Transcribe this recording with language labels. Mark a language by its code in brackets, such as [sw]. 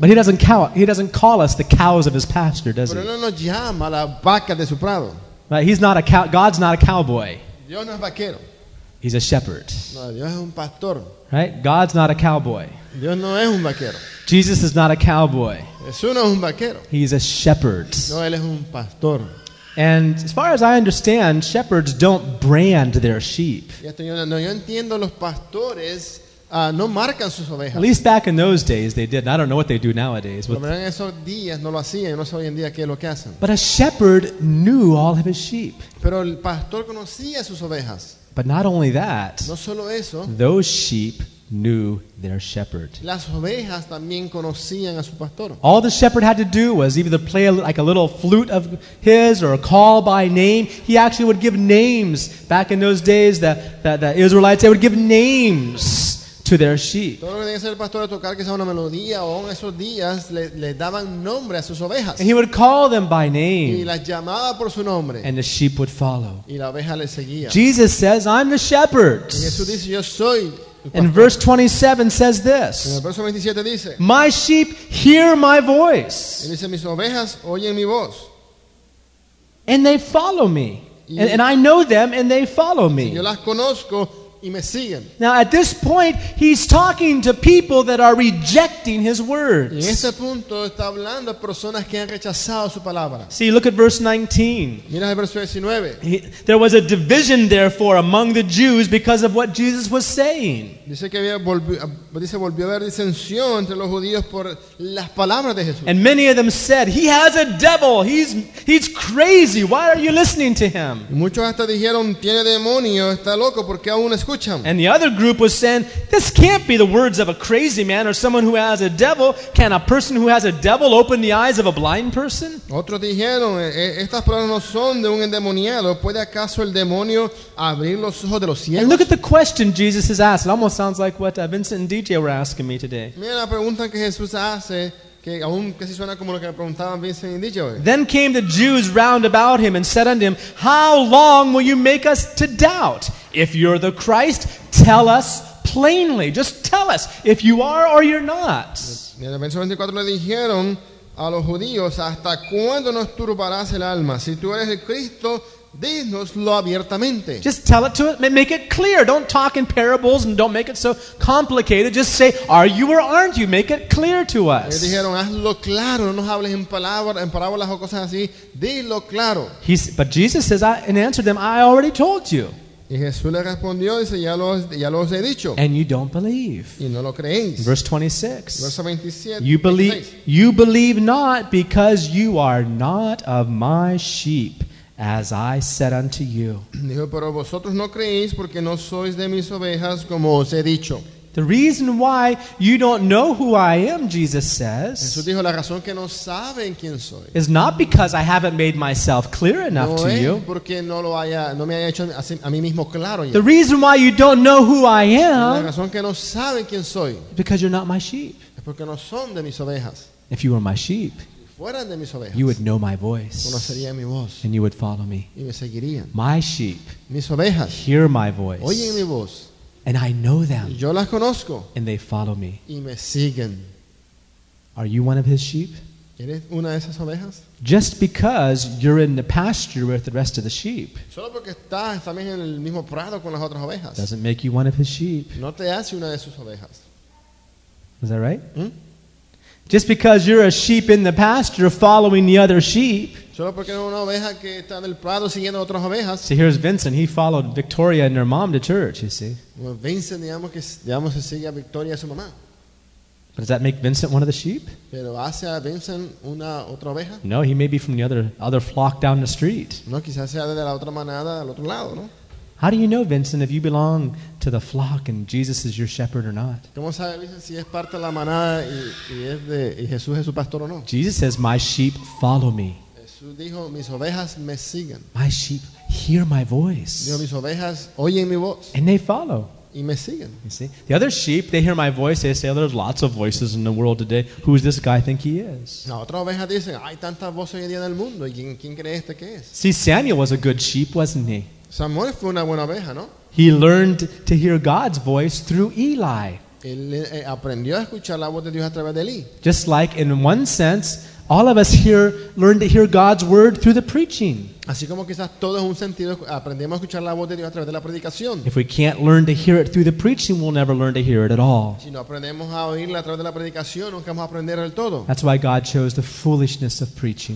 [en] But he doesn't call us the cows of his pasture, does [es] pero [en] he? [es] Pero no nos llama la vaca de su prado. [en] Right, he's not a cow. God's not a cowboy. [es] Dios no es vaquero. [en] He's a shepherd. [es] No, Dios es un pastor. [en] Right, God's not a cowboy. [es] Dios no es un vaquero. [en] Jesus is not a cowboy. [es] Jesús no es un vaquero. [en] He's a shepherd. [es] No, él es un pastor. [en] And as far as I understand, shepherds don't brand their sheep. [es] Yo entiendo los pastores. No marcan sus ovejas. [en] At least back in those days they did. I don't know what they do nowadays. But a shepherd knew all of his sheep. [es] Pero el pastor conocía sus ovejas. [en] But not only that, [es] no solo eso, [en] those sheep knew their shepherd. [es] Las ovejas también conocían a su pastor. [en] All the shepherd had to do was either play like a little flute of his or call by name. He actually would give names. Back in those days, the Israelites, they would give names to their sheep. [es] Todo lo que tenía que hacer el pastor era tocar quizá una melodía o en esos días le daban nombre a sus ovejas. [en] And he would call them by name. [es] Y las llamaba por su nombre. [en] And the sheep would follow. [es] Y la oveja le seguía. [en] Jesus says, I'm the shepherd. [es] Y Jesús dice, yo soy el pastor. [en] And verse 27 says this. [es] En el verso 27 dice, [en] my sheep hear my voice. [es] Y dice, mis ovejas oyen mi voz. [en] And they follow me. And I know them and they follow me. [es] Y yo las conozco. [en] Now at this point he's talking to people that are rejecting his words. [es] En este punto está hablando a personas que han rechazado su palabra. [en] See, look at verse 19. [es] Mira el verso 19. [en] There was a division therefore among the Jews because of what Jesus was saying. [es] Dice volvió a haber disensión entre los judíos por las palabras de Jesús. [en] And many of them said, he has a devil. He's crazy. Why are you listening to him? [es] Muchos hasta dijeron, tiene demonio, está loco, ¿por qué aún? [en] And the other group was saying, this can't be the words of a crazy man or someone who has a devil. Can a person who has a devil open the eyes of a blind person? [es] Otros dijeron, estas palabras no son de un endemoniado. ¿Puede acaso el demonio abrir los ojos de los ciegos? [en] And look at the question Jesus has asked. It almost sounds like what Vincent and DJ were asking me today. [es] Mira la pregunta que Jesús hace. [en] Then came the Jews round about him and said unto him, how long will you make us to doubt? If you're the Christ, tell us plainly. Just tell us if you are or you're not. [es] En el verso 24 le dijeron a los judíos, ¿hasta cuándo nos turbarás el alma? Si tú eres el Cristo, Dínoslo abiertamente. [en] Just tell it to it. Make it clear. Don't talk in parables and don't make it so complicated. Just say, are you or aren't you? Make it clear to us. [es] Ellos dijeron, hazlo claro. No nos hables en parábolas o cosas así. Dilo claro. [en] But Jesus says, and answered them, I already told you. [es] Y Jesús le respondió, dice, ya los he dicho. [en] And you don't believe. [es] Y no lo creéis. [en] Verse 26. [es] Verso 27. [en] You believe not because you are not of my sheep, as I said unto you. [es] Dijo, pero vosotros no creéis porque no sois de mis ovejas, como os he dicho. [en] The reason why you don't know who I am, Jesus says, [es] Jesús dijo, la razón que no saben quién soy, [en] is not because I haven't made myself clear enough to you. [es] Porque no lo haya, no me haya hecho a mí mismo claro ya. [en] The reason why you don't know who I am, [es] la razón que no saben quién soy, [en] because you're not my sheep. [es] Es porque no son de mis ovejas. [en] If you were my sheep, [es] fueran de mis ovejas, [en] you would know my voice. [es] Conocería mi voz. [en] And you would follow me. [es] Y me seguirían. [en] My sheep, [es] mis ovejas, [en] hear my voice. [es] Oyen mi voz. [en] And I know them. [es] Yo las conozco. [en] And they follow me. [es] Y me siguen. [en] Are you one of his sheep? [es] ¿Eres una de esas ovejas? [en] Just because you're in the pasture with the rest of the sheep, [es] solo porque estás también en el mismo prado con las otras ovejas, [en] doesn't make you one of his sheep. [es] No te hace una de sus ovejas. [en] Is that right? ¿Mm? Just because you're a sheep in the pasture following the other sheep. [es] Solo porque era una oveja que está en el prado siguiendo otras ovejas. [en] See, here's Vincent. He followed Victoria and her mom to church, you see. Well, [es] Vincent, digamos que sigue a Victoria y a su mamá. [en] But does that make Vincent one of the sheep? [es] Pero hace a Vincent una otra oveja? [en] No, he may be from the other flock down the street. [es] No, quizás sea de la otra manada al otro lado, ¿no? [en] How do you know, Vincent, if you belong to the flock and Jesus is your shepherd or not? [es] ¿Cómo sabe, Vincent, si es parte de la manada y es de y Jesús es su pastor o no? [en] Jesus says, my sheep follow me. [es] Jesús dijo, mis ovejas me siguen. [en] My sheep hear my voice. [es] Dijo, mis ovejas oyen mi voz. [en] And they follow. [es] Y me siguen. [en] You see? The other sheep, they hear my voice, they say, oh, there's lots of voices in the world today. Who's this guy think he is? [es] La otra oveja dice, hay tantas voces hoy en día en el mundo. ¿Y quién cree este que es? [en] See, Samuel was a good sheep, wasn't he? [es] Samuel fue una buena oveja, ¿no? [en] He learned to hear God's voice through Eli. [es] Él aprendió a escuchar la voz de Dios a través de Eli. [en] Just like in one sense, all of us here learn to hear God's word through the preaching. [es] Así como quizás todos en un sentido aprendemos a escuchar la voz de Dios a través de la predicación. [en] If we can't learn to hear it through the preaching, we'll never learn to hear it at all. [es] Si no aprendemos a oírla a través de la predicación, nunca vamos a aprender del todo. [en] That's why God chose the foolishness of preaching.